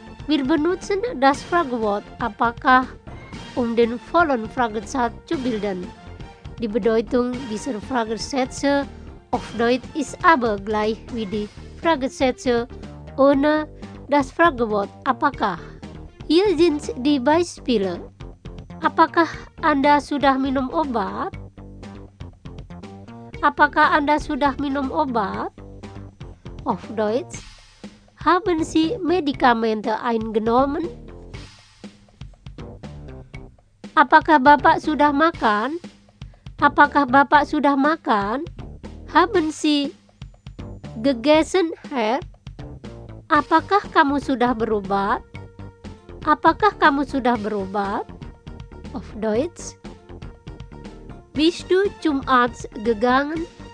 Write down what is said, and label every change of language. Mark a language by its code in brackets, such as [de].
[de] Wir benutzen das Fragewort apakah, den vollen Fragesatz zu bilden. Die Bedeutung dieser Fragesätze auf Deutsch ist aber gleich wie die Fragesätze ohne das Fragewort apakah. Hier sind die Beispiele. [id] Apakah Anda sudah minum obat? Apakah Anda sudah minum obat? [de] Auf Deutsch. Haben Sie Medikamente eingenommen? [id] Apakah Bapak sudah makan? Apakah Bapak sudah makan? [de] Haben Sie gegessen, Herr? [id] Apakah kamu sudah berobat? Apakah kamu sudah berobat? [de] Auf Deutsch. Bist du zum Arzt gegangen?